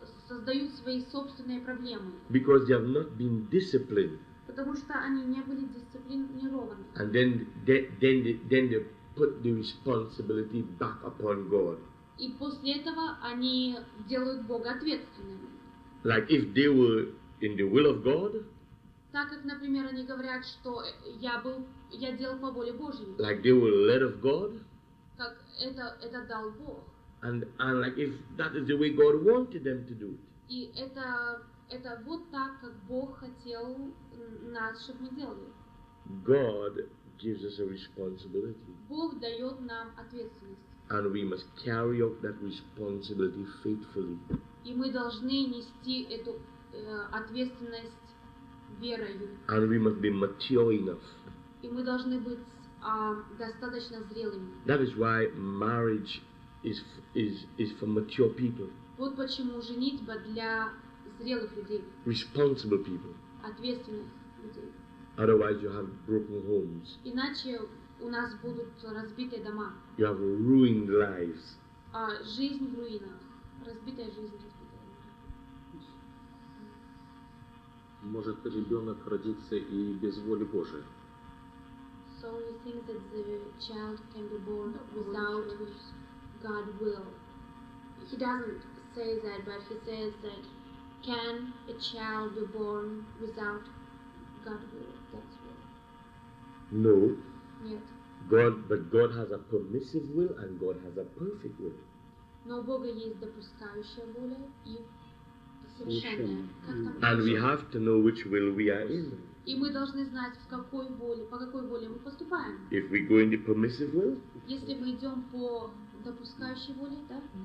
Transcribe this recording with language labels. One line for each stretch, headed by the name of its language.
Russian: создают свои собственные проблемы.
English: Because they have not been disciplined.
Russian: Потому что они не были дисциплинированы.
English: And then they put the responsibility back upon God.
Russian: И после этого они делают Бога ответственным.
English: Like if they were in the will of God.
Russian: Так как, например, они говорят, что я делал по воле Божьей.
English: Like they were led of God.
Russian: Как это дал Бог.
English: And like if that is the way God wanted them to do it.
Russian: И это вот так, как Бог хотел нас, чтобы мы делали.
English: God gives us a responsibility.
Russian: Бог дает нам ответственность.
English: And we must carry out that responsibility faithfully.
Russian: И мы должны нести эту ответственность верою.
English: And we must be mature enough.
Russian: И мы должны быть достаточно зрелыми.
English: That is why marriage is for mature people.
Russian: Вот почему женитьба для зрелых людей.
English: Responsible people.
Russian: Ответственных людей.
English: Otherwise you have broken homes.
Russian: Иначе у нас будут разбитые дома.
English: You have ruined lives.
Russian: А жизнь в руинах. Разбитая жизнь. Может ребенок родиться и без воли Божией?
English: So you think that the child can be born without God's will? He doesn't say that, but he says that can a child be born without God's will? That's will. No. Yet. But God has a permissive will and God has a perfect will.
Russian: Но Бога есть допускающая воля и
English: And we have to know which will we are in.
Russian: И мы должны знать, в какой воле, по какой воле мы поступаем.
English: If we go in the permissive will,
Russian: если мы идем по допускающей воле, да?